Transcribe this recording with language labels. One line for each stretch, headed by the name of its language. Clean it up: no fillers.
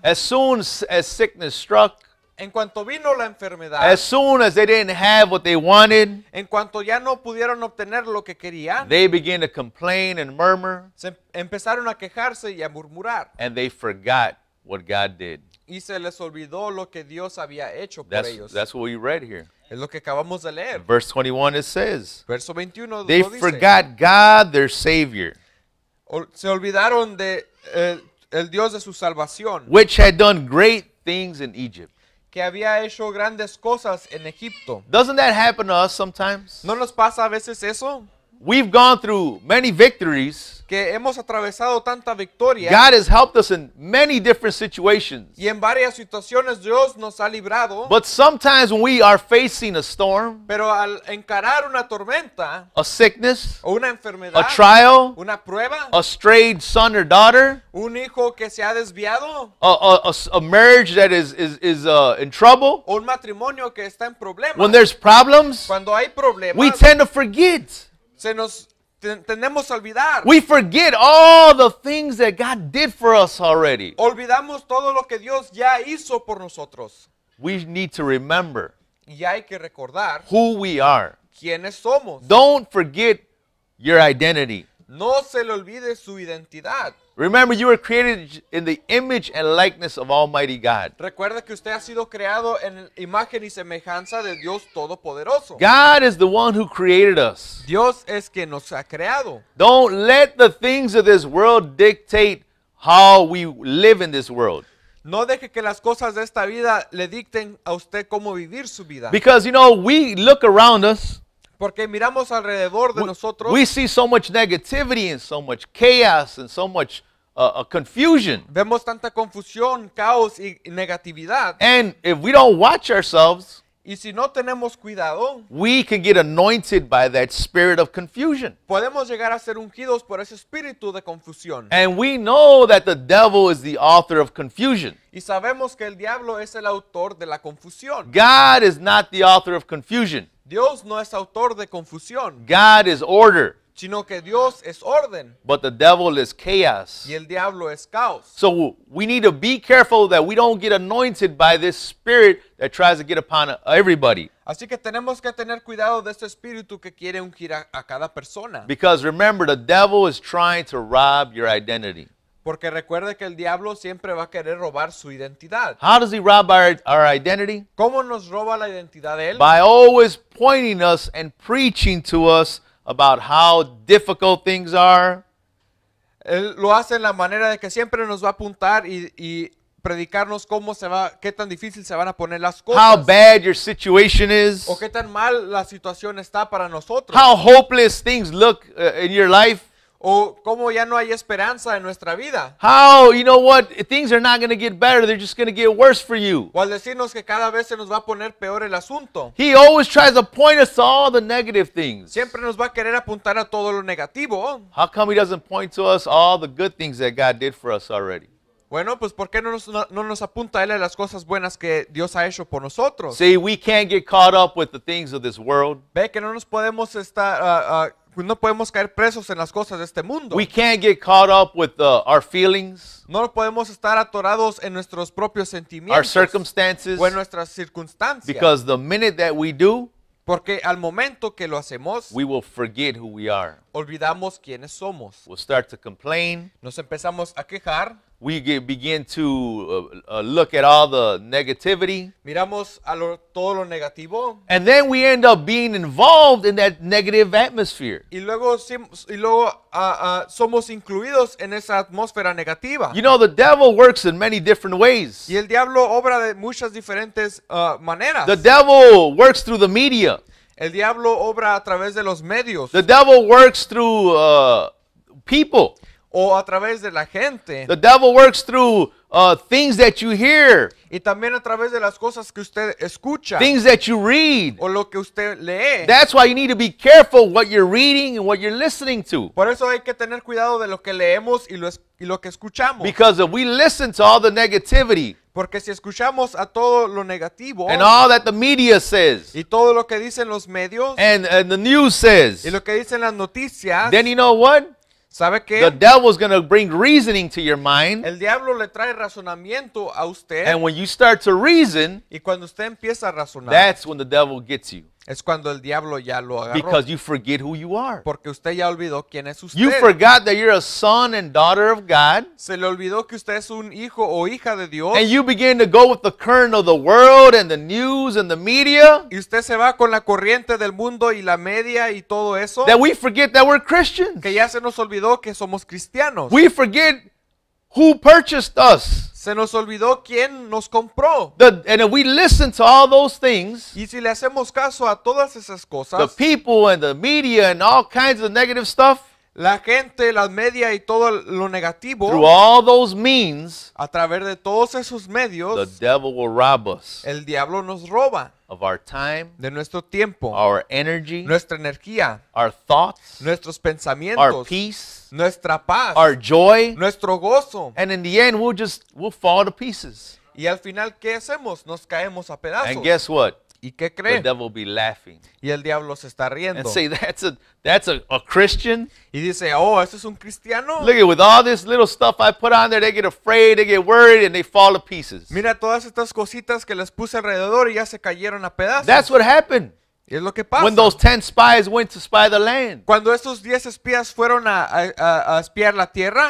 English: As soon as sickness struck.
Spanish: En cuanto vino la enfermedad.
English: As soon as they didn't have what they wanted.
Spanish: En cuanto ya no pudieron obtener lo que querían.
English: They began to complain and murmur.
Spanish: Se empezaron a quejarse y a murmurar.
English: And they forgot what God did.
Spanish: Y se les olvidó lo que Dios había hecho
English: that's,
Spanish: por ellos.
English: That's what we read here.
Spanish: Es lo que acabamos de leer.
English: Verse 21 it says.
Spanish: Verso 21
English: they
Spanish: lo dice.
English: Forgot God their Savior.
Spanish: Se olvidaron de el Dios de su salvación.
English: Which had done great things in Egypt.
Spanish: Que había hecho grandes cosas en Egipto.
English: Doesn't that happen to us sometimes?
Spanish: ¿No nos pasa a veces eso?
English: We've gone through many victories.
Spanish: Que hemos atravesado tanta victoria.
English: God has helped us in many different situations.
Spanish: Y en varias situaciones Dios nos ha librado.
English: But sometimes when we are facing a storm.
Spanish: Pero al encarar una tormenta.
English: A sickness.
Spanish: O una enfermedad.
English: A trial.
Spanish: Una prueba.
English: A strayed son or daughter.
Spanish: Un hijo que se ha desviado.
English: A marriage that is in trouble.
Spanish: O un matrimonio que está en problemas.
English: When there's problems.
Spanish: Cuando hay problemas.
English: We tend to forget.
Spanish: Se nos tendemos a olvidar.
English: We forget all the things that God did for us already.
Spanish: Olvidamos todo lo que Dios ya hizo por nosotros.
English: We need to remember.
Spanish: Y hay que recordar.
English: Who we are.
Spanish: Quiénes somos.
English: Don't forget your identity.
Spanish: No se le olvide su identidad.
English: Remember, you were created in the image and likeness of Almighty God.
Spanish: Recuerda que usted ha sido creado en imagen y semejanza de Dios Todopoderoso.
English: God is the one who created us.
Spanish: Dios es quien nos ha creado.
English: Don't let the things of this world dictate how we live in this world.
Spanish: No deje que las cosas de esta vida le dicten a usted cómo vivir su vida.
English: Because, you know, we look around us.
Spanish: Porque miramos alrededor de nosotros.
English: We see so much negativity and so much chaos and so much confusion.
Spanish: Vemos tanta confusión, caos y negatividad.
English: And if we don't watch ourselves,
Spanish: y si no tenemos cuidado,
English: we can get anointed by that spirit of confusion.
Spanish: Podemos llegar a ser ungidos por ese espíritu de confusión.
English: And we know that the devil is the author of confusion.
Spanish: Y sabemos que el diablo es el autor de la confusión.
English: God is not the author of confusion.
Spanish: Dios no es autor de confusión.
English: God is order.
Spanish: Sino que Dios es orden.
English: But the devil is chaos.
Spanish: Y el diablo es caos.
English: So we need to be careful that we don't get anointed by this spirit that tries to get upon everybody.
Spanish: Así que tenemos que tener cuidado de ese espíritu que quiere ungir a cada persona.
English: Because remember, the devil is trying to rob your identity.
Spanish: Porque recuerde que el diablo siempre va a querer robar su identidad.
English: How does he rob our identity?
Spanish: ¿Cómo nos roba la identidad de él?
English: By always pointing us and preaching to us about how difficult things are.
Spanish: Él lo hace en la manera de que siempre nos va a apuntar y predicarnos cómo se va, qué tan difícil se van a poner las cosas.
English: How bad your situation is.
Spanish: O qué tan mal la situación está para nosotros.
English: How hopeless things look in your life.
Spanish: O cómo ya no hay esperanza en nuestra vida.
English: How, you know what, things are not going to get better, they're just going to get worse for you.
Spanish: O al decirnos que cada vez se nos va a poner peor el asunto.
English: He always tries to point us to all the negative things.
Spanish: Siempre nos va a querer apuntar a todo lo negativo.
English: How come he doesn't point to us all the good things that God did for us already?
Spanish: Bueno, pues ¿por qué no nos apunta él a las cosas buenas que Dios ha hecho por nosotros?
English: See, we can't get caught up with the things of this world.
Spanish: Ve que no nos podemos estar... No podemos caer presos en las cosas de este mundo.
English: We can't get caught up with our feelings.
Spanish: No podemos estar atorados en nuestros propios sentimientos.
English: Our circumstances.
Spanish: O en nuestras circunstancias.
English: Because the minute that we do.
Spanish: Porque al momento que lo hacemos.
English: We will forget who we are.
Spanish: Olvidamos quiénes somos.
English: We'll start to complain.
Spanish: Nos empezamos a quejar.
English: We begin to look at all the negativity.
Spanish: Miramos a todo lo negativo.
English: And then we end up being involved in that negative atmosphere.
Spanish: Y luego somos incluidos en esa atmósfera negativa.
English: You know, the devil works in many different ways.
Spanish: Y el diablo obra de muchas diferentes maneras.
English: The devil works through the media.
Spanish: El diablo obra a través de los medios.
English: The devil works through people.
Spanish: o a través de la gente.
English: The devil works through things that you hear.
Spanish: Y también a través de las cosas que usted escucha.
English: Things that you read.
Spanish: O lo que usted lee.
English: That's why you need to be careful what you're reading and what you're listening to.
Spanish: Por eso hay que tener cuidado de lo que leemos y lo que escuchamos.
English: Because if we listen to all the negativity.
Spanish: Porque si escuchamos a todo lo negativo.
English: And all that the media says.
Spanish: Y todo lo que dicen los medios.
English: And the news says.
Spanish: Y lo que dicen las noticias.
English: Then you know what?
Spanish: ¿Sabe qué?
English: The devil is going to bring reasoning to your mind.
Spanish: El diablo le trae razonamiento a usted.
English: And when you start to reason,
Spanish: y cuando usted empieza a razonar,
English: that's when the devil gets you.
Spanish: Es cuando el diablo ya lo agarró.
English: Because you forget who you are.
Spanish: Porque usted ya olvidó quién es usted.
English: You forgot that you're a son and daughter of God.
Spanish: Se le olvidó que usted es un hijo o hija de Dios.
English: And you begin to go with the current of the world and the news and the media.
Spanish: Y usted se va con la corriente del mundo y la media y todo eso.
English: That we forget that we're Christians.
Spanish: Que ya se nos olvidó que somos cristianos.
English: We forget who purchased us.
Spanish: Se nos olvidó quién nos compró.
English: And if we listen to all those things,
Spanish: y si le hacemos caso a todas esas cosas,
English: the people and the media and all kinds of negative stuff,
Spanish: la gente, las media y todo lo negativo,
English: through all those means,
Spanish: a través de todos esos medios,
English: the devil will rob us.
Spanish: El diablo nos roba.
English: Of our time,
Spanish: de nuestro tiempo,
English: our energy,
Spanish: nuestra energía,
English: our thoughts,
Spanish: nuestros pensamientos,
English: our peace,
Spanish: nuestra paz,
English: our joy,
Spanish: nuestro gozo.
English: And in the end, we'll fall to pieces.
Spanish: Y al final, ¿qué hacemos? Nos caemos a pedazos.
English: And guess what?
Spanish: ¿Y qué cree?
English: The devil be laughing.
Spanish: Y el diablo se está riendo.
English: And say, that's a Christian.
Spanish: Y dice, oh, ¿eso es un cristiano?
English: Look at, with all this little stuff I put on there, they get afraid, they get worried, and they fall to pieces.
Spanish: Mira todas estas cositas que les puse alrededor y ya se cayeron a pedazos.
English: That's what happened.
Spanish: Y es lo que pasa.
English: When those 10 spies went to spy the land.
Spanish: Cuando estos 10 espías fueron a espiar la tierra.